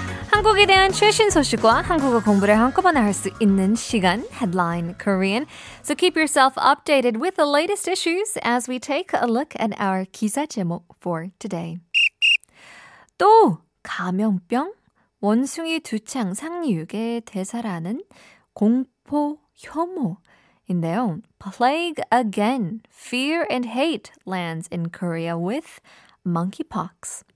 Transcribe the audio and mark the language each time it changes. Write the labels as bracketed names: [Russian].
[Korean] 한국에 대한 최신 소식과 한국어 공부를 한꺼번에 할 수 있는 시간, Headline Korean. [English] So keep yourself updated with the latest issues as we take a look at our [Korean] 기사 제목 [English] for today. [Korean] 또 감염병? 원숭이 두창 상륙의 대사라는 공포 혐오인데요. [English] Plague again. Fear and hate lands in Korea with monkeypox.